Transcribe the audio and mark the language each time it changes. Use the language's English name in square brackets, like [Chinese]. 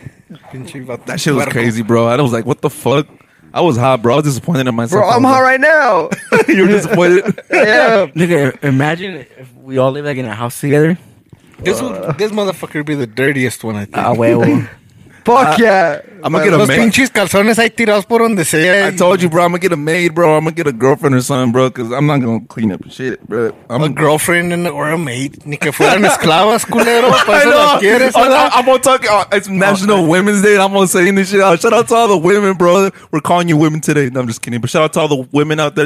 [English] That shit was crazy, bro. I was like, what the fuck? I was hot, bro. I was disappointed in myself. Bro, I'm hot right now. You're disappointed? Yeah. Look, imagine if we all live, like, in a house together. This motherfucker would be the dirtiest one, I think. Fuck yeah. I'm going to get a maid. [Spanish] Los pinches calzones ahí tirados por donde sea. [English] I told you, bro. I'm going to get a maid, bro. I'm going to get a girlfriend or something, bro, because I'm not going to clean up shit, bro. Girlfriend or a maid. [Spanish] Ni que fueran esclavas, culero. [English] I know. I'm going to talk. It's National Women's Day. And I'm going to say this shit out. Shout out to all the women, bro. We're calling you women today. No, I'm just kidding. But shout out to all the women out there.